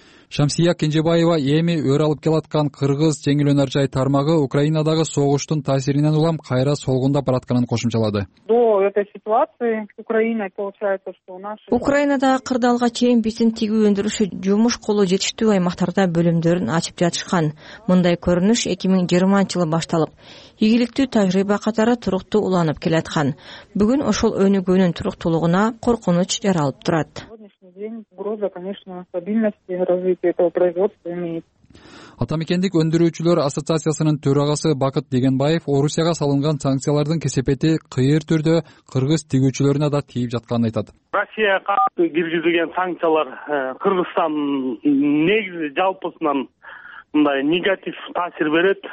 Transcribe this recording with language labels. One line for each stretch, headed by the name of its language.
Kyrgyz: Шамсия Кенжебаева эми өр алып келаткан кыргыз жеңил өнөр жай тармагы Украинадагы согуштун таасиринен улам кайра солгунда баратканын кошумчалады.
Russian: До этой ситуации Украина получается, что у нас
Kyrgyz: Украинада кырдаалга чейин биздин тигүү өндүрүшү жумуш колу жетиштүү аймактарда бөлүмдөрүн ачып жатышкан. Мындай көрүнүш 2020-жылы башталып, ийгиликтүү тажрыйба катары туруктуу уланып келаткан. Бүгүн ошол өнүгүүнүн туруктуулугуна коркунуч жаралып турат.
Russian: Угроза, конечно, стабильности развития этого производства имеет.
Kyrgyz: Атамекендик өндүрүүчүлөр ассоциациясынын төрагасы Бакыт Дегенбаев Орусияга салынган санкциялардын кесепети кыйыр түрдө кыргыз тигүүчүлөрүнө да тийип жатканын айтат. Россияга каршы киргизилген санкциялар Кыргызстан негизи жалпысынан мындай негатив таасир берет.